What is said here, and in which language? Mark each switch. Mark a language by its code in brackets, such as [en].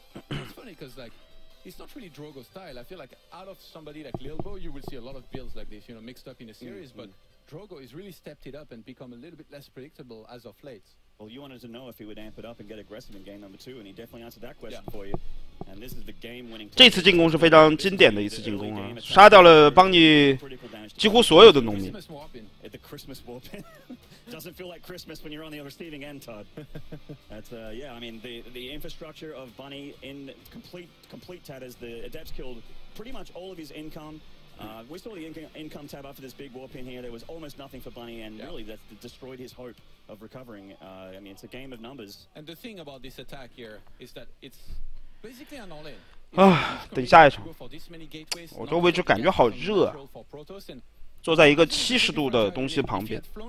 [en] It's funny because, like, it's not really Drogo style. I feel like out of somebody like Lilbo, you will see a lot of builds like this, you know, mixed up in a series. Mm-hmm. But Drogo has really stepped it up and become a little bit less predictable as of late. Well, you wanted to know if he would amp it up and get aggressive in game number two, and he definitely answered that question for you. And this is the game-winning. [zh] 这次进攻是非常经典的一次进攻啊，杀掉了邦尼几乎所有的农民。 [en] At the Christmas warp-in, doesn't feel like Christmas when you're on the receiving end, Todd. That's yeah. I mean, the infrastructure of Bunny in complete tatters. The adepts killed pretty much all of his income. We saw the income tab after this big warp in here. There was almost nothing for Bunny, and really that destroyed his hope of recovering. I mean, it's a game of numbers. And the thing about this attack here is that it's basically an all-in. [zh] 啊，等下一场。我这位置感觉好热啊，坐在一个70度的东西旁边。